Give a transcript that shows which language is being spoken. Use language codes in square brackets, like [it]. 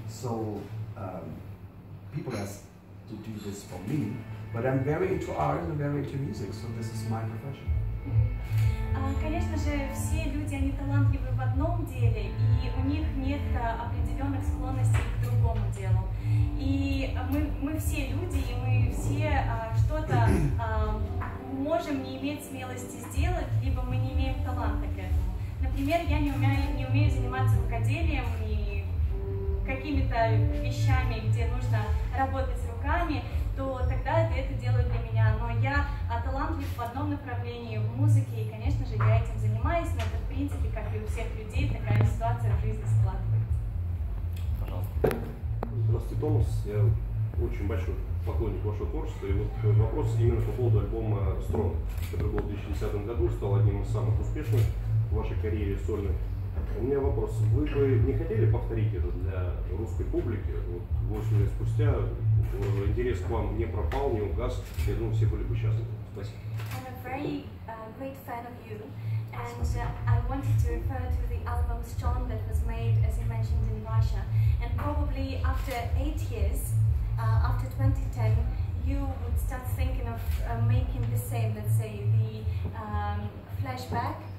[en] So people ask to do this for me, but I'm very into art and I'm very into music, so this is my profession. [ru] Конечно же, все люди, они талантливы в одном деле, и у них нет определенных склонностей к другому делу. И мы все люди, и мы все что-то можем не иметь смелости сделать, либо мы не имеем таланта к этому. Например, я не умею заниматься рукоделием и какими-то вещами, где нужно работать руками, то тогда это делают для меня. Но я талантлив в одном направлении, в музыке, и, конечно же, я этим занимаюсь, но это, в принципе, как и у всех людей, такая ситуация в жизни складывается. Пожалуйста. Здравствуйте, Томас. Я очень большой поклонник вашего творчества, и вот вопрос именно по поводу альбома Strong, который был в 2010 году, стал одним из самых успешных в вашей карьере сольной. У меня вопрос. Вы бы не хотели повторить это для русской публики? Вот 8 лет спустя интерес к вам не пропал, не угас. Я думаю, все были бы счастливы. Спасибо. [en] I'm a very great fan of you. And I wanted to refer to the album Strong that was made, as you mentioned, in Russia. And probably after 8 years, after 2010, you would start thinking of making the same, let's say, the flashback.